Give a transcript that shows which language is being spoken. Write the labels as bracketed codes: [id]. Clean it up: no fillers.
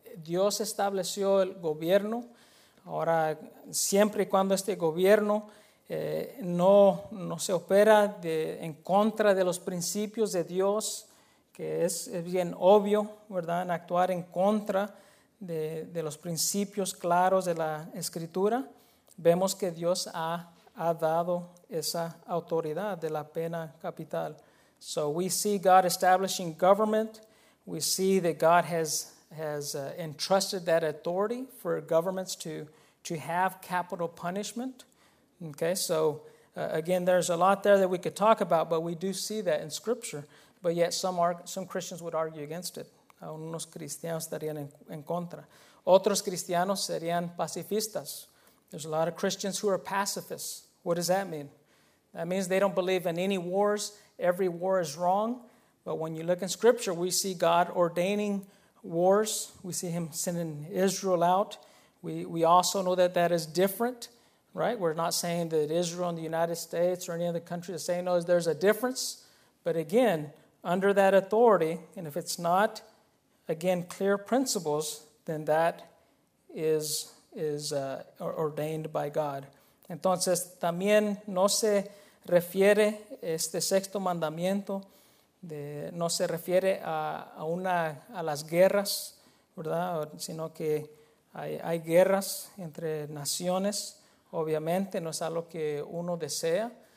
[es] Dios estableció el gobierno. Ahora, siempre y cuando este gobierno no se opera en contra de los principios de Dios, que es bien obvio, ¿verdad?, en actuar en contra de los principios claros de la Escritura, vemos que Dios ha dado esa autoridad de la pena capital. [en] So we see God establishing government. We see that God has entrusted that authority for governments to have capital punishment. Okay, so again, there's a lot there that we could talk about, but we do see that in Scripture. But yet some Christians would argue against it. [es] Algunos cristianos estarían en contra. Otros cristianos serían pacifistas. [en] There's a lot of Christians who are pacifists. What does that mean? That means they don't believe in any wars. Every war is wrong. But when you look in Scripture, we see God ordaining wars. We see Him sending Israel out. We also know that that is different, right? We're not saying that Israel and the United States or any other country is saying, no, there's a difference. But again, under that authority, and if it's not, again, clear principles, then that is ordained by God. [es] Entonces, también no se refiere este sexto mandamiento, no se refiere a las guerras, ¿verdad? Sino que hay guerras entre naciones, obviamente, no es algo que uno desea.